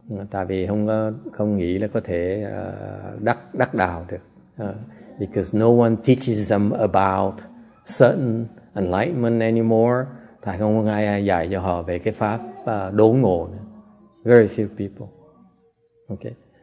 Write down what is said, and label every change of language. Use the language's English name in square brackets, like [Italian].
[Vietnamese] Tại vì không nghĩ là có thể đắc đạo được. [English] Because no one teaches them about certain enlightenment anymore. [Vietnamese] Tại không có ai dạy cho họ về cái pháp đốn ngộ nữa. [English] Very few people. Okay.